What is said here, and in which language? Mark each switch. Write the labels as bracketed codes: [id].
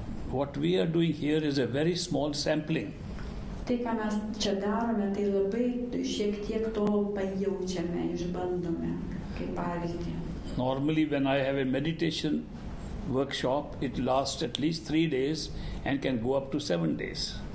[en] What we are doing here is a very small sampling. [lt] Tai, ką mes čia darome, tai labai šiek tiek to pajaučiame, išbandome, kaip pavyzdį. [en] Normally, when I have a meditation workshop, it lasts at least 3 days and can go up to 7 days.